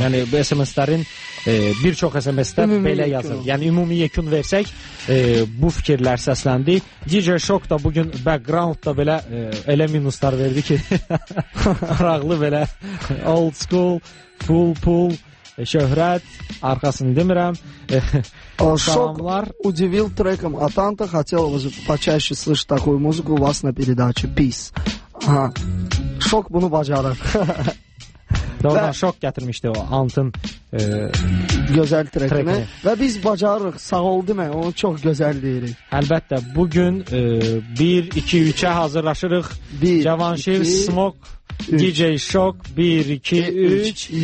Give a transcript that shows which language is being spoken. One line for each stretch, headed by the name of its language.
Azerbaijani: Yəni, bu SMS-lərin bir çox SMS-lər belə yazır. Yəni, ümumi yekun versək, bu fikirlər səsləndi. DJ Shock da bugün background da belə elə minuslar verdi ki, araqlı belə old school, full pool, şöhrət, arxasını demirəm.
Russian: Шок удивил треком Атанта, хотел почаще слышать такую музыку у вас на передаче Peace.
Azerbaijani: Шок bunu bacarır. Doğrudan şok gətirmişdi o Antın gözəl trekini. Və biz bacarırıq, sağ ol demək, onu çox gözəl deyirik. Əlbəttə, bugün 1-2-3-ə hazırlaşırıq. Cavanşir, Smok, DJ Şok, 1-2-3,